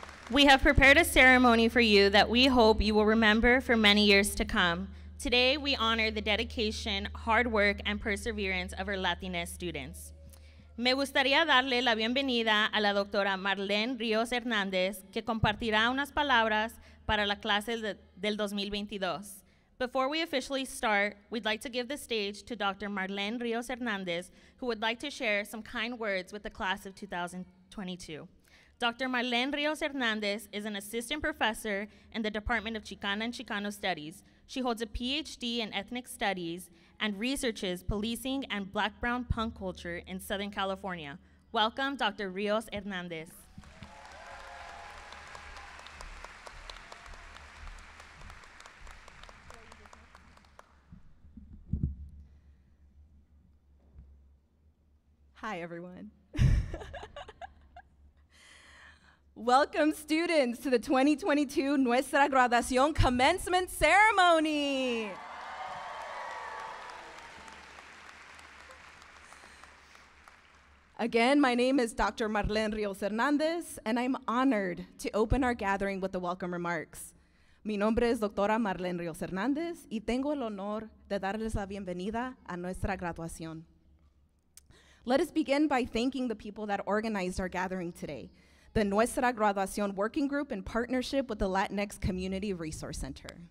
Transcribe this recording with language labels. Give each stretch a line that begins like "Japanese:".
English: We have prepared a ceremony for you that we hope you will remember for many years to come. Today, we honor the dedication, hard work, and perseverance of our Latina students.
Spanish: Me gustaría darle la bienvenida a la doctora Marlene Ríos Hernández, que compartirá unas palabras para la clase del 2022.
English: Before we officially start, we'd like to give the stage to Dr. Marlene Ríos Hernández, who would like to share some kind words with the class of 2022. Dr. Marlene Ríos Hernández is an assistant professor in the Department of Chicana and Chicano Studies. She holds a PhD in ethnic studies and researches policing and black-brown punk culture in Southern California. Welcome, Dr. Ríos Hernández. Hi, everyone. Welcome, students, to the 2022 Nuestra Graduación Commencement Ceremony. Again, my name is Dr. Marlene Ríos Hernández, and I'm honored to open our gathering with the welcome remarks.
Spanish: Mi nombre es Doctora Marlene Ríos Hernández, y tengo el honor de darles la bienvenida a Nuestra Graduación.
English: Let us begin by thanking the people that organized our gathering today. The Nuestra Graduación Working Group in partnership with the Latinx Community Resource Center.